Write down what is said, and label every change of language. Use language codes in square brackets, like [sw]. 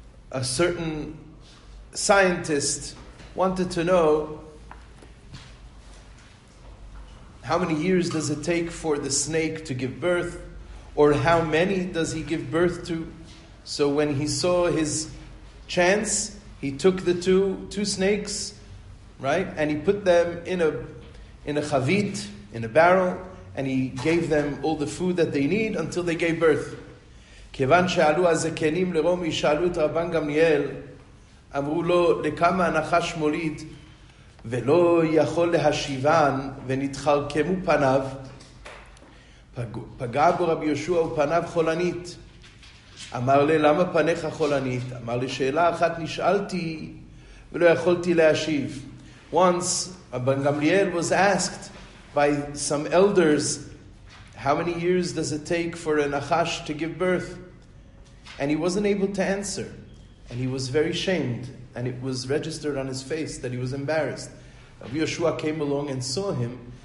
[en] A certain scientist wanted to know how many years does it take for the snake to give birth, or how many does he give birth to. So when he saw his chance, he took the two snakes, right, and he put them in a chavit, in a barrel, and he gave them all the food that they need until they gave birth. [he] כיוון שאלו הזקנים לרומי שאלו את רבן גמליאל, אמרו לו, לכמה הנחש מוליד ולא יכול להשיבן ונתחרקמו פניו? פגע בו רבי יהושע ופניו חולנית. אמר לי, למה פניך חולנית? אמר לי, שאלה אחת נשאלתי ולא יכולתי להשיב. [en] Once, רבן גמליאל was asked by some elders, how many years does it take for a nachash to give birth? And he wasn't able to answer. And he was very shamed. And it was registered on his face that he was embarrassed. Rabbi Yehoshua came along and saw him.